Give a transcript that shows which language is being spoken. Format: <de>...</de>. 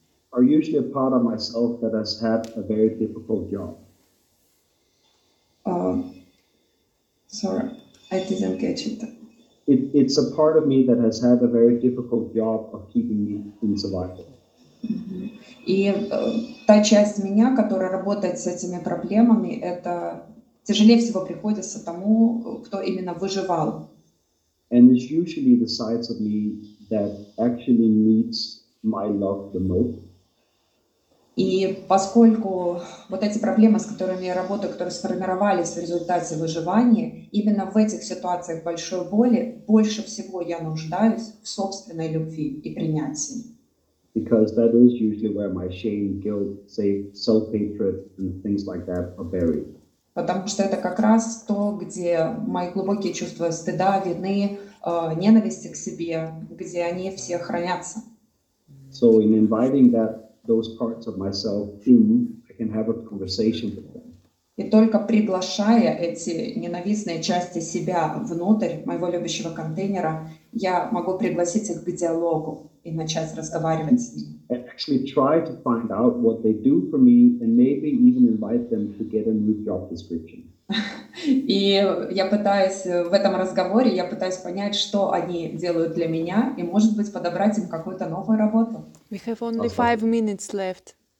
<en>Are usually a part of myself that has had a very difficult job. Sorry, I didn't catch it. It's a part of me that has had a very difficult job of keeping me in survival.</en> <ru>И та часть меня, которая работает с этими проблемами, это тяжелее всего приходится тому, кто именно выживал.</ru> <en>And it's usually the sides of me that actually needs my love the most.</en> <ru>И поскольку вот эти проблемы, с которыми я работаю, которые сформировались в результате выживания, именно в этих ситуациях большой боли, больше всего я нуждаюсь в собственной любви и принятии.</ru> <en>Because that is usually where my shame, guilt, say, self-hatred and things like that are buried.</en> <ru>Потому что это как раз то, где мои глубокие чувства стыда, вины, ненависти к себе, где они все хранятся.</ru> <en>So in inviting that, those parts of myself in, I can have a conversation with them.</en> <ru>И только приглашая эти ненавистные части себя внутрь моего любящего контейнера, я могу пригласить их к диалогу и начать разговаривать с ними.</ru> <en>And actually try to find out what they do for me and maybe even invite them to get a new job description.</en> <ru>И я пытаюсь в этом разговоре, я пытаюсь понять, что они делают для меня и, может быть, подобрать им какую-то новую работу.</ru> <en>We have only 5 minutes left.</en>